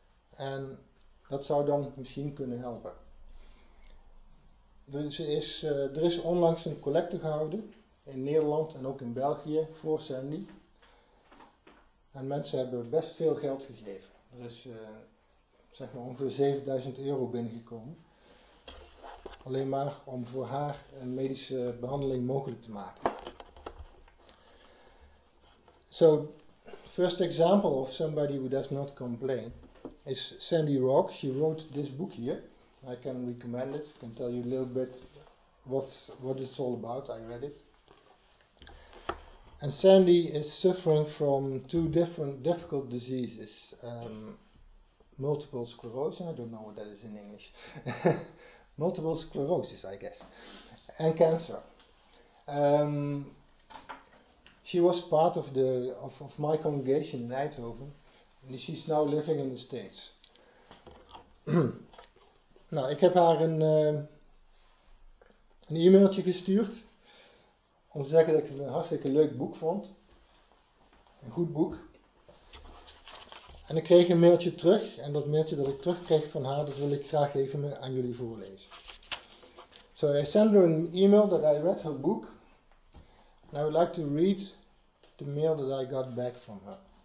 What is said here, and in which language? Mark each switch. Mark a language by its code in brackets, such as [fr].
[nl] En dat zou dan misschien kunnen helpen. Dus er is onlangs een collecte gehouden in Nederland en ook in België voor Sandy. En mensen hebben best veel geld gegeven. Er is ongeveer 7000 euro binnengekomen. Alleen maar om voor haar een medische behandeling mogelijk te maken. [en] So, first example of somebody who does not complain is Sandy Roch. She wrote this book here. I can recommend it. I can tell you a little bit what it's all about. I read it. And Sandy is suffering from two different difficult diseases. Multiple sclerosis. I don't know what that is in English. Multiple sclerosis, I guess, and cancer. She was part of the my congregation in Eindhoven, and she's now living in the States. [nl] Nou, ik heb haar een e-mailtje gestuurd om te zeggen dat ik het een hartstikke leuk boek vond, een goed boek. En ik kreeg een mailtje terug, en dat mailtje dat ik terug kreeg van haar, dat wil ik graag even aan jullie voorlezen. [en] So I sent her an email that I read her book, and I would like to read the mail that I got back from her.